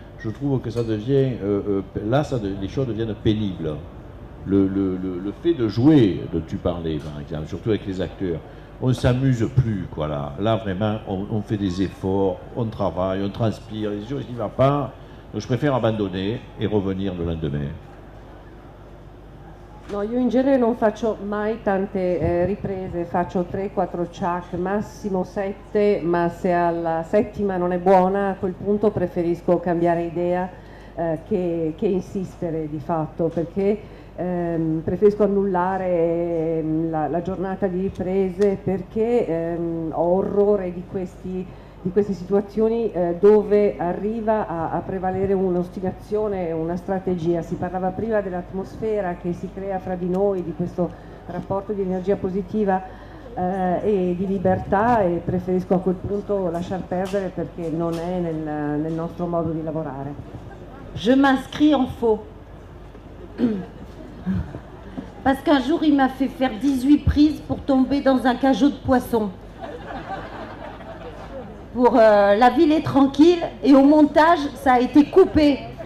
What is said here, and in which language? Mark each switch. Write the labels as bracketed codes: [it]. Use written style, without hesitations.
[fr] Je trouve que ça devient, les choses deviennent pénibles. Le fait de jouer, dont tu parlais par exemple, surtout avec les acteurs, on ne s'amuse plus, quoi, là. Là, vraiment, on fait des efforts, on travaille, on transpire, les jours, il n'y va pas. Donc, je préfère abandonner et revenir le lendemain. [it] No, io in genere non faccio mai tante riprese, faccio 3-4 ciak, massimo 7, ma se alla settima non è buona, a quel punto preferisco cambiare idea che insistere di fatto, perché preferisco annullare la giornata di riprese, perché ho orrore di queste situazioni dove arriva a prevalere un'ostinazione, una strategia. Si parlava prima dell'atmosfera che si crea fra di noi, di questo rapporto di energia positiva e di libertà, e preferisco a quel punto lasciar perdere perché non è nel nostro modo di lavorare. [fr] Je m'inscris en faux. parce qu'un jour il m'a fait faire 18 prises pour tomber dans un cageot de poisson. Pour la ville est tranquille et au montage ça a été coupé.